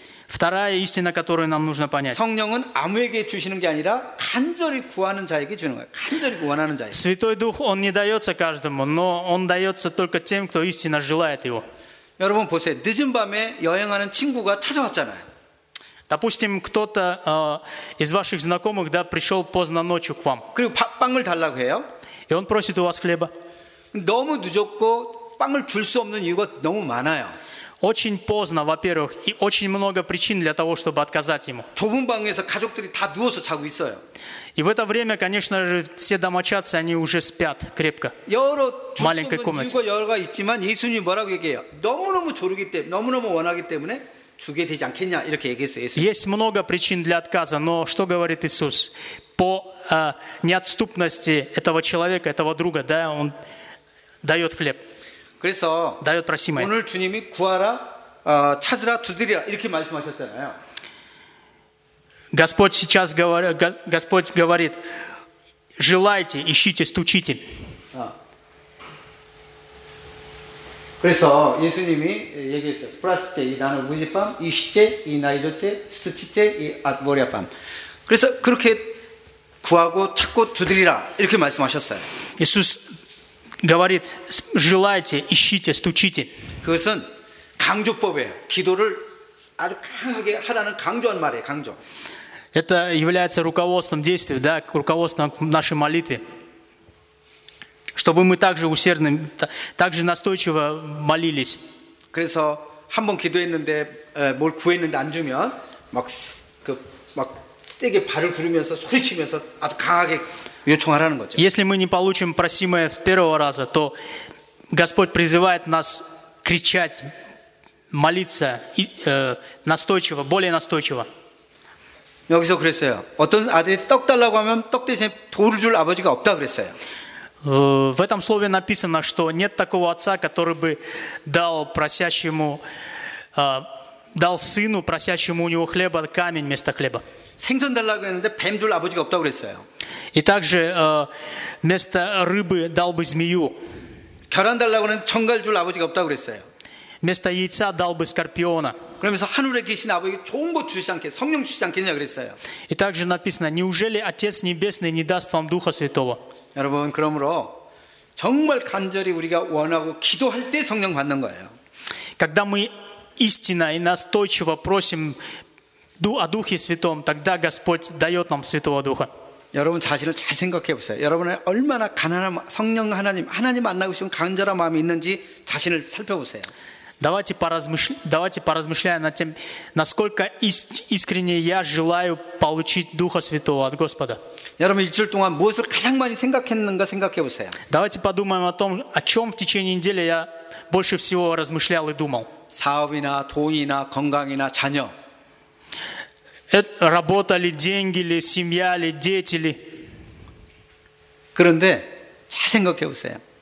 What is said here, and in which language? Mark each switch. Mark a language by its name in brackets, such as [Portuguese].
[Russian] вторая истина, которую нам нужно понять. [Korean] 성령은 아무에게 주시는 게 아니라 간절히 구하는 자에게 주는 거예요. 간절히 원하는 자에게. [Russian] Святой Дух, Он не дается каждому, но Он дается только тем, кто истинно желает Его. [Korean] 여러분 보세요. 늦은 밤에 여행하는 친구가 찾아왔잖아요. [Russian] Допустим, кто-то из ваших знакомых, да, пришел поздно ночью к вам. [Korean] 그리고 빵을 달라고 해요. [Russian] И он просит у вас хлеба. [Korean] 너무 늦었고 빵을 줄 수 없는 이유가 너무 많아요. [Russian] Очень поздно, во-первых, и очень много причин для того, чтобы отказать ему. [Korean] 좁은 방에서 가족들이 다 누워서 자고 있어요. [Russian] И в это время, конечно же, все домочадцы, они уже спят крепко. [Korean] 여러 [Russian] в маленькой комнате. [Korean] 이유가 여러가 있지만 예수님 뭐라고 얘기해요? 너무너무 조르기 때문에, 너무너무 원하기 때문에 주게 되지 않겠냐 이렇게 얘기했어요. 예수님. [Russian] Есть много причин для отказа, но что говорит Иисус? По неотступности этого человека, этого друга, да, он дает хлеб. [Korean] 그래서 [Russian] дает просимое. [Korean] 오늘 주님이 구하라, 찾으라, 두드리라 이렇게 말씀하셨잖아요. [Russian] Господь сейчас говорит, Господь говорит, желайте, ищите, стучите. [Korean] 그래서 예수님이 얘기했어요. [Russian] 브라스제 이 나는 무지팜 이시제 이 나이조제 스투치제 이 아드보리아팜. [Korean] 그래서 그렇게 구하고 찾고 두드리라 이렇게 말씀하셨어요. [Russian] 예수스 говорит, желайте, ищите, стучите. [Korean] 그것은 강조법이에요. 기도를 아주 강하게 하라는 강조한 말이에요. 강조. [Russian] Это является руководством действий, да, руководством нашей молитвы, чтобы мы также усердно, также настойчиво молились. [Korean] 그래서 한번 기도했는데 뭘 구했는데 안 주면 막 그 막 세게 발을 구르면서 소리치면서 아주 강하게. [Russian] Если мы не получим просимое с первого раза, то Господь призывает нас кричать, молиться настойчиво, более настойчиво. [Korean] 여기서 그랬어요. 어떤 아들이 떡 달라고 하면 떡 대신 돌을 줄 아버지가 없다 그랬어요. [Russian] В этом слове написано, что нет такого отца, который бы дал просящему, дал сыну просящему у него хлеба камень вместо хлеба. [Korean] 생선 달라고 했는데 뱀 줄 아버지가 없다 그랬어요. [Russian] И также вместо рыбы дал бы змею. [Korean] 계란 달라고는 청갈 줄 아버지가 없다 그랬어요. [Russian] Вместо яйца дал бы скорпиона. [Korean] 그러면서 하늘에 계신 아버지 좋은 것 주시지 않겠, 성령 주시지 않겠냐 그랬어요. [Russian] И также написано, неужели отец небесный не даст вам духа святого? [Korean] 여러분, 그러므로 정말 간절히 우리가 원하고 기도할 때 성령 받는 거예요. [Russian] Когда мы истинно и настойчиво просим о духе святом, тогда Господь дает нам святого духа. [Korean] 여러분 자신을 잘 생각해 보세요. 여러분의 얼마나 가난한 성령 하나님, 하나님 만나고 싶은 간절한 마음이 있는지 자신을 살펴보세요. [Russian] Давайте поразмышляем над тем, насколько искренне я желаю получить Духа Святого от Господа. [Korean] 여러분 일주일 동안 무엇을 가장 많이 생각했는가 생각해 보세요. [Russian] Давайте подумаем о том, о чем в течение недели я больше всего размышлял и думал. [Korean] 사업이나 돈이나 건강이나 자녀. [Russian] Это работали деньги ли, семья ли, дети ли? [Korean] 그런데 잘 생각해 보세요.